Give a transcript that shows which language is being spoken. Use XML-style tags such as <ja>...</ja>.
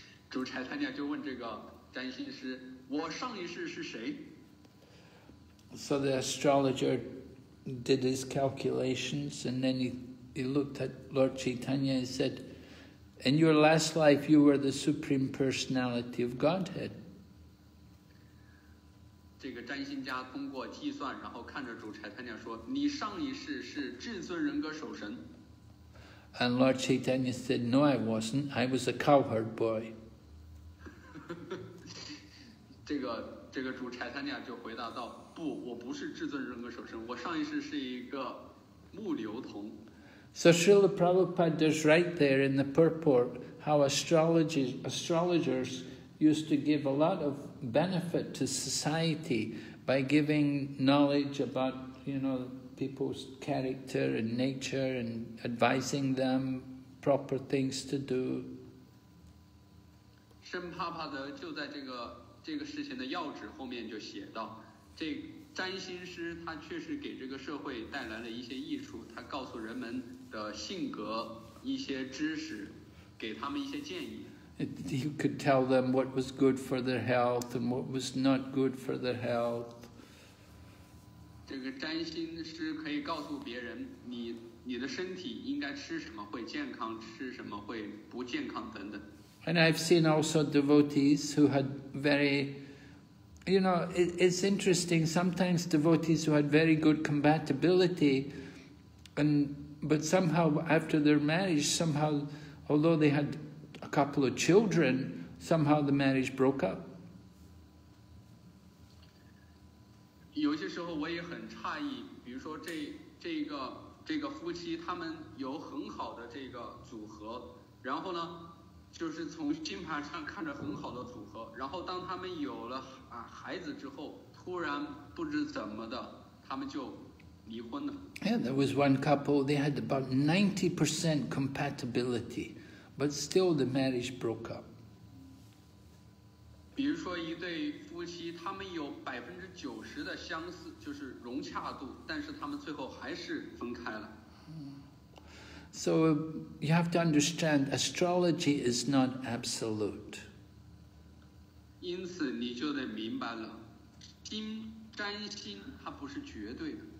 <zh>主柴坦尼亚就问这个占星师，我上一世是谁？</zh> <en>So the astrologer did his calculations and then he looked at Lord Chaitanya and said, in your last life you were the Supreme Personality of Godhead.</en> <zh>这个占星家通过计算然后看着主柴坦尼亚说，你上一世是至尊人格守神。</zh> <en>And Lord Chaitanya said, no I wasn't, I was a cowherd boy.</en> <zh>这个主柴坦尼亚就回答道，不，我不是至尊人格守身，我上一世是一个牧牛童。</zh> <en>So Srila Prabhupada does write there in the purport how astrologers used to give a lot of benefit to society by giving knowledge about, you know, people's character and nature and advising them proper things to do.</en> <zh>圣帕帕德就在这个事情的要旨后面就写到，这占星师他确实给这个社会带来了一些益处，他告诉人们的性格一些知识，给他们一些建议。</zh> <en>He could tell them what was good for their health and what was not good for their health.</en> <zh>这个占星师可以告诉别人你的身体应该吃什么会健康，吃什么会不健康等等。</zh> <en>And I've seen also devotees who had very, you know, it's interesting, sometimes devotees who had very good compatibility, but somehow after their marriage, somehow, although they had a couple of children, somehow the marriage broke up.</en> <zh>有些时候我也很诧异，比如说这个夫妻他们有很好的这个组合，然后呢就是从星盘上看着很好的组合，然后当他们有了孩子之后，突然不知怎么的，他们就离婚了。</zh> <en>Yeah, there was one couple, they had about 90% compatibility, but still the marriage broke up.</en> <zh>比如说一对夫妻，他们有90%的相似，就是融洽度，但是他们最后还是分开了。</zh> <en>So you have to understand, astrology is not absolute.</en> <zh>因此你就得明白了，占星它不是绝对的。</zh>